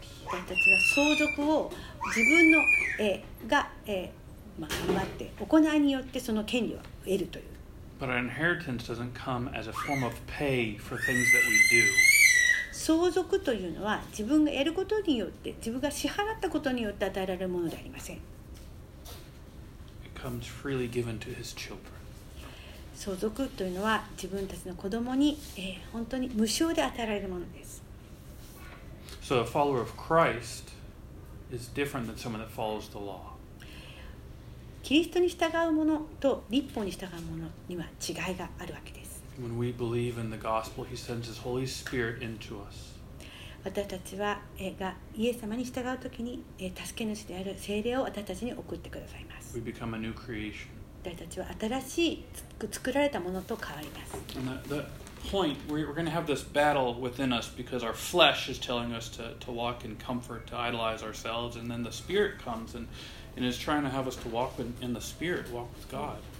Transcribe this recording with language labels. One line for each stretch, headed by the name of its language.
Japanese: 私たちは相続を自分の、が、まあ、頑張って行いによってその権利を得るという。
English: But our inheritance doesn't come as a form of pay for things that we do.
Japanese: 相続というのは自分が得ることによって自分が支払ったことによって与えられるものではありません。
English: It comes freely given to his children.
Japanese: 相続というのは自分たちの子供に、本当に無償で与えられるものです。
English: So a follower of Christ is different than someone that follows the law.
Japanese: キリストに従う者と律法に従う者には違いがあるわけです。
English: When we believe in the gospel, he sends his Holy Spirit into us.
Japanese: 私たちはがイエス様に従うときに助け主である聖霊を私たちに送ってくださいます。
English: We become a new creation.
Japanese: 私たちは新しい作られたものと変わります。
English: Point, we're going to have this battle within us because our flesh is telling us to walk in comfort, to idolize ourselves, and then the Spirit comes and is trying to have us to walk in the Spirit, walk with God.